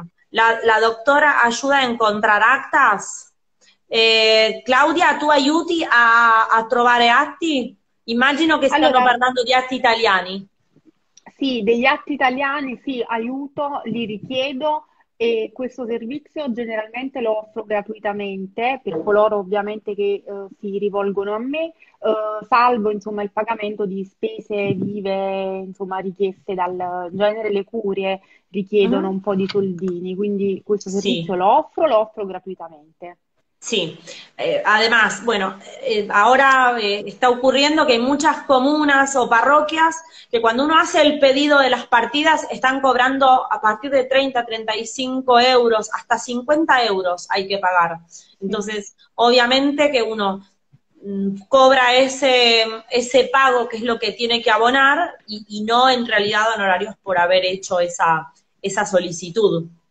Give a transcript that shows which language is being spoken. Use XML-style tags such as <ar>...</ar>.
<es>La doctora ayuda a encontrar actas.</es> <it>Claudia, tu aiuti a trovare atti? Immagino che stanno Allora, parlando di atti italiani. sì, degli atti italiani, sì, aiuto, li richiedo e questo servizio generalmente lo offro gratuitamente per coloro ovviamente che si rivolgono a me, salvo insomma il pagamento di spese vive, insomma richieste dal genere le curie richiedono un po' di soldini, quindi questo servizio lo offro gratuitamente.</it> <es>Sí. Además, bueno, ahora está ocurriendo que hay muchas comunas o parroquias que cuando uno hace el pedido de las partidas están cobrando a partir de 30, 35 euros, hasta 50 euros hay que pagar. Entonces, obviamente que uno cobra ese pago que es lo que tiene que abonar y no en realidad honorarios por haber hecho esa solicitud.</es>